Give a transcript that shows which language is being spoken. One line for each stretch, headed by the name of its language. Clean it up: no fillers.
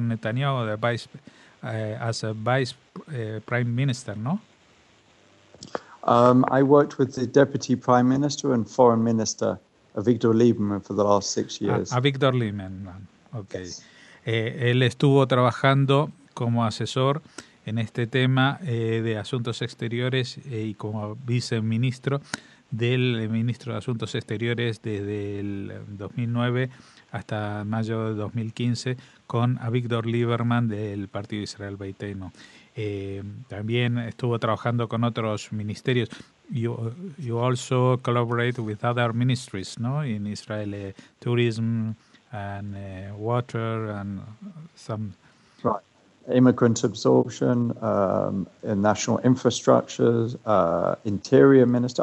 English: Netanyahu, the vice as a vice prime minister, no? I worked with the deputy prime minister and foreign minister, Avigdor Lieberman, for the last 6 years. Avigdor Lieberman, okay. Yes.
Spanish: Él estuvo trabajando como asesor en este tema de asuntos exteriores y como viceministro del ministro de Asuntos Exteriores desde el 2009 hasta mayo de 2015 con Avigdor Lieberman del Partido Israel Beiteinu. También estuvo trabajando con otros ministerios.
English: You also collaborate with other ministries, no, in Israel, tourism and water and some. Right. Immigrant absorption, in national infrastructures, interior minister.